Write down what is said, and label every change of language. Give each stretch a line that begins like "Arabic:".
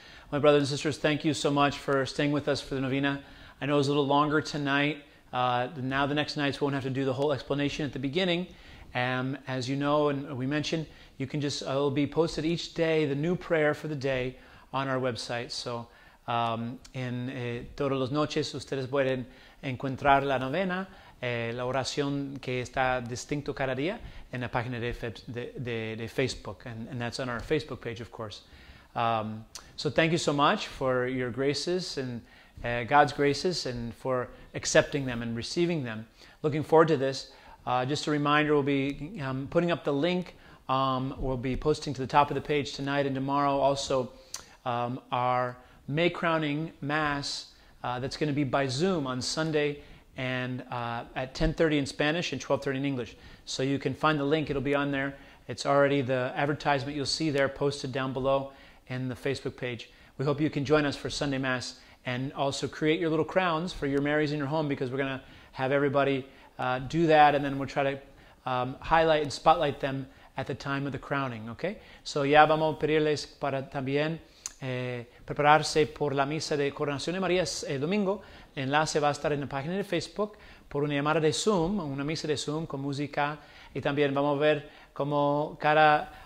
English: My brothers and sisters, thank you so much for staying with us for the novena. I know it was a little longer tonight. Now the next nights we won't have to do the whole explanation at the beginning. As you know, and we mentioned, you can just, it'll be posted each day, the new prayer for the day on our website.
Spanish: So, todas las noches ustedes pueden encontrar la novena, la oración que está distinto cada día en la página de Facebook.
English: And that's on our Facebook page, of course. So thank you so much for your graces and God's graces and for accepting them and receiving them. Looking forward to this. Just a reminder, we'll be putting up the link. We'll be posting to the top of the page tonight and tomorrow also our May crowning mass that's going to be by Zoom on Sunday and at 10:30 in Spanish and 12:30 in English. So you can find the link. It'll be on there. It's already the advertisement you'll see there posted down below in the Facebook page. We hope you can join us for Sunday mass and also create your little crowns for your Marys in your home because we're going to have everybody do that and then we'll try to highlight and spotlight them at the time of the crowning, okay?
Spanish: So ya vamos a pedirles para también prepararse por la misa de coronación de María el domingo. El enlace va a estar en la página de Facebook por una llamada de Zoom, una misa de Zoom con música. Y también vamos a ver cómo cada